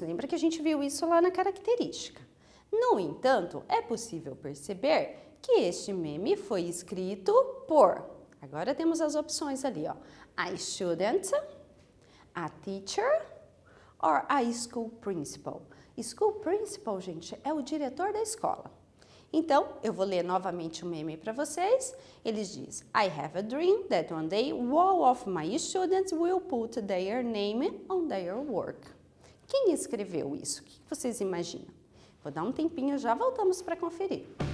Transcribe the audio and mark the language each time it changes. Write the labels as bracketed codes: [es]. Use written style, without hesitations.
[pt] Lembra que a gente viu isso lá na característica. No entanto, é possível perceber que este meme foi escrito por... Agora temos as opções ali, ó. [en] A student, a teacher, or a school principal. [pt] School principal, gente, é o diretor da escola. Então, eu vou ler novamente o meme para vocês. Ele diz, [en] I have a dream that one day all of my students will put their name on their work. [pt] Quem escreveu isso? O que vocês imaginam? Vou dar um tempinho, já voltamos para conferir.